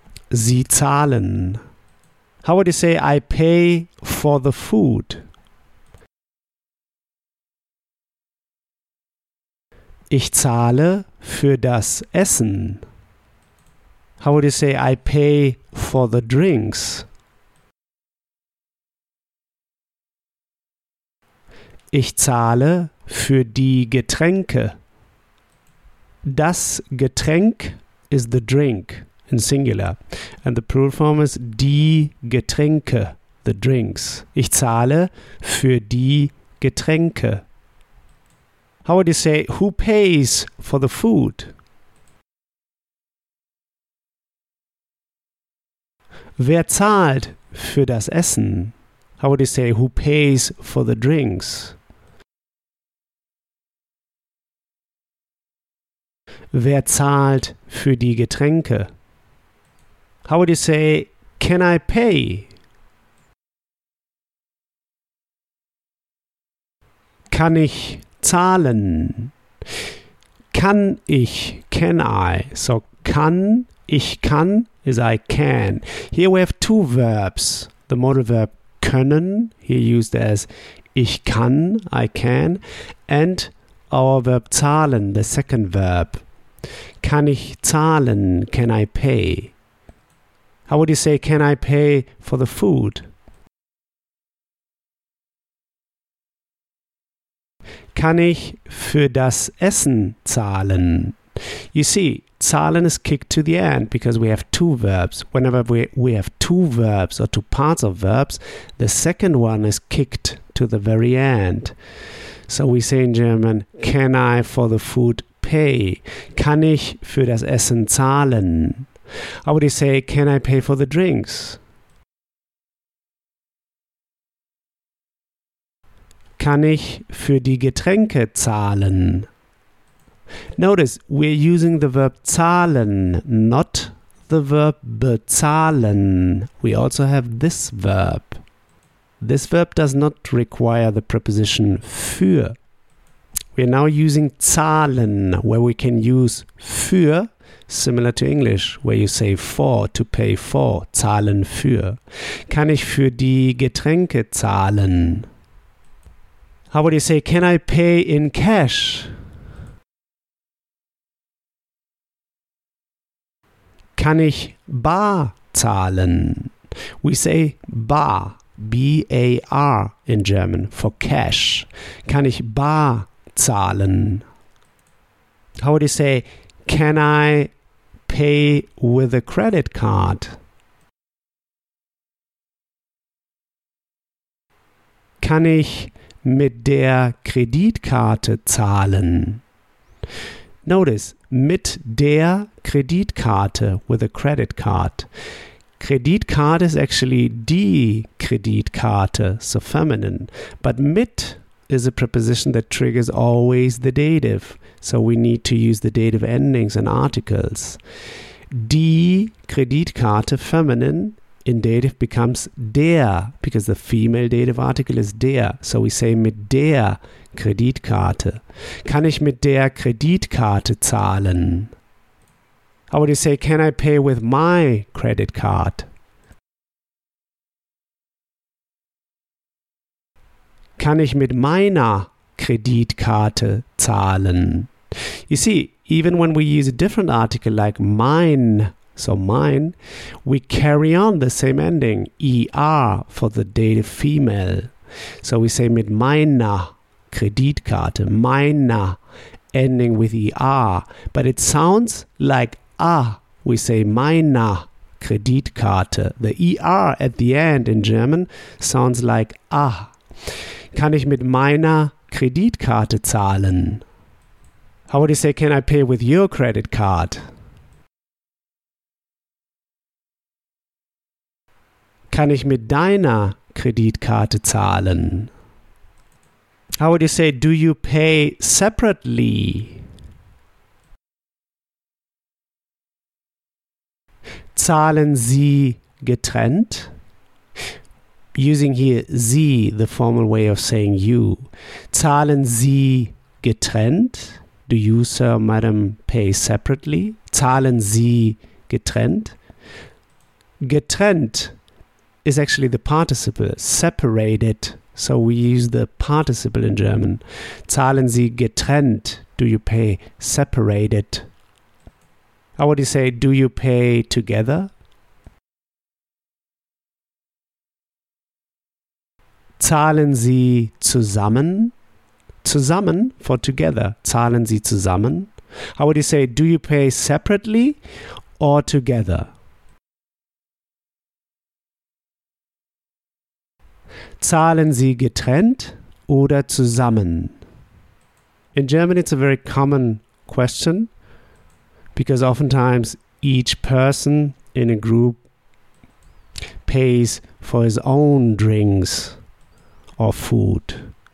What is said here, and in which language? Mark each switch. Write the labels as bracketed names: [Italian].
[German] Sie zahlen. [English] How would you say I pay for the food? [German] Ich zahle für das Essen. [English] How would you say I pay for the drinks? [German] Ich zahle für die Getränke. Das Getränk [English] is the drink in singular. And the plural form is [German] die Getränke, [English] the drinks. [German] Ich zahle für die Getränke. [English] How would you say, who pays for the food? [German] Wer zahlt für das Essen? [English] How would you say, who pays for the drinks? [German] Wer zahlt für die Getränke? [English] How would you say, can I pay? [German] Kann ich zahlen? Kann ich, [English] can I? So, [German] kann, ich kann, [English] is I can. Here we have two verbs. The modal verb können, here used as [German] ich kann, [English] I can. And our verb zahlen, the second verb. [German] Kann ich zahlen? [English] Can I pay? How would you say, can I pay for the food? [German] Kann ich für das Essen zahlen? [English] You see, zahlen is kicked to the end because we have two verbs. Whenever we have two verbs or two parts of verbs, the second one is kicked to the very end. So we say in German, can I for the food pay? [German] Kann ich für das Essen zahlen? [English] How would you say, can I pay for the drinks? [German] Kann ich für die Getränke zahlen? [English] Notice, we're using the verb zahlen, not the verb bezahlen. We also have this verb. This verb does not require the preposition für. We're now using zahlen, where we can use für, similar to English, where you say for, to pay for, [German] zahlen für. Kann ich für die Getränke zahlen? [English] How would you say, can I pay in cash? [German] Kann ich bar zahlen? [English] We say bar, B-A-R in German, for cash. [German] Kann ich bar zahlen? [English] How would you say, can I pay with a credit card? [German] Kann ich mit der Kreditkarte zahlen? [English] Notice, [German] mit der Kreditkarte, [English] with a credit card. Kreditkarte is actually [German] die Kreditkarte, [English] so feminine. But mit is a preposition that triggers always the dative. So we need to use the dative endings and articles. [German] Die Kreditkarte, [English] feminine, in dative becomes der, because the female dative article is der. So we say [German] mit der Kreditkarte. Kann ich mit der Kreditkarte zahlen? [English] How would you say, can I pay with my credit card? [German] Kann ich mit meiner Kreditkarte zahlen? [English] You see, even when we use a different article like mein, so mine, we carry on the same ending, er, for the dative female. So we say [German] mit meiner Kreditkarte, [English] meiner ending with ER, but it sounds like ah, we say [German] meine Kreditkarte. [English] The ER at the end in German sounds like ah. [German] Kann ich mit meiner Kreditkarte zahlen? [English] How would you say, can I pay with your credit card? [German] Kann ich mit deiner Kreditkarte zahlen? [English] How would you say, do you pay separately? [German] Zahlen Sie getrennt? [English] Using here Sie, the formal way of saying you. [German] Zahlen Sie getrennt? [English] Do you, sir, madam, pay separately? [German] Zahlen Sie getrennt? [English] Getrennt is actually the participle, separated. So we use the participle in German. [German] Zahlen Sie getrennt? [English] Do you pay separated? How would you say, do you pay together? [German] Zahlen Sie zusammen? Zusammen [English] for together. [German] Zahlen Sie zusammen? [English] How would you say, do you pay separately or together? [German] Zahlen Sie getrennt oder zusammen? [English] In German, it's a very common question because oftentimes each person in a group pays for his own drinks or food.